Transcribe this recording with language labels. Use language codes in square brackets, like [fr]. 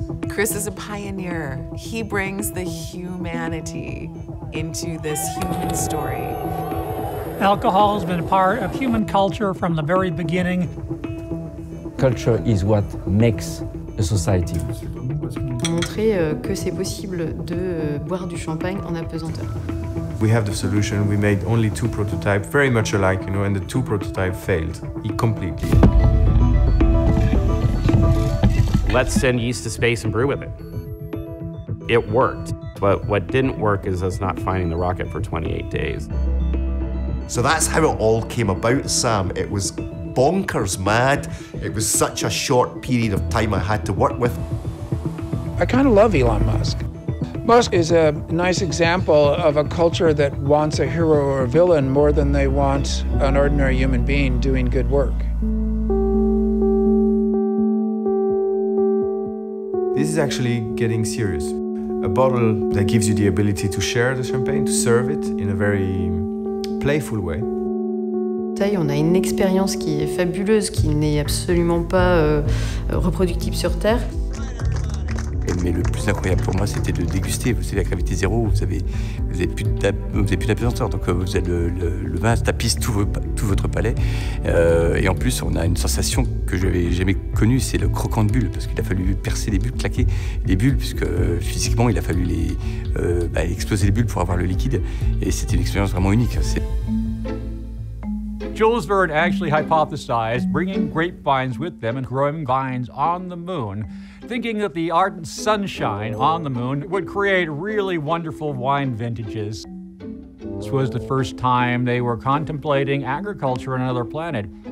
[en] Chris is a pioneer. He brings the humanity into this human story. Alcohol has been a part of human culture from the very beginning. Culture is what makes a society. [fr] Montrer que c'est possible de boire du champagne en apesanteur. [en] We have the solution. We made only two prototypes, very much alike, you know, and the two prototypes failed completely. Let's send yeast to space and brew with it. It worked, but what didn't work is us not finding the rocket for 28 days. So that's how it all came about, Sam. It was bonkers mad. It was such a short period of time I had to work with. I kind of love Elon Musk. Musk is a nice example of a culture that wants a hero or a villain more than they want an ordinary human being doing good work. This is actually getting serious. A bottle that gives you the ability to share the champagne, to serve it in a very playful way. [fr] Taille, on a une expérience qui est fabuleuse, qui n'est absolument pas reproductible sur Terre. Mais le plus incroyable pour moi, c'était de déguster. Vous savez, à gravité zéro, vous avez plus d'apesanteur. Donc, vous avez le vin tapisse tout votre palais. Et en plus, on a une sensation que je n'avais jamais connue, c'est le croquant de bulles. Parce qu'il a fallu percer les bulles, claquer les bulles, puisque physiquement, il a fallu exploser les bulles pour avoir le liquide. Et c'était une expérience vraiment unique. C'est... [en] Jules Verne actually hypothesized bringing grapevines with them and growing vines on the moon, thinking that the ardent sunshine on the moon would create really wonderful wine vintages. This was the first time they were contemplating agriculture on another planet.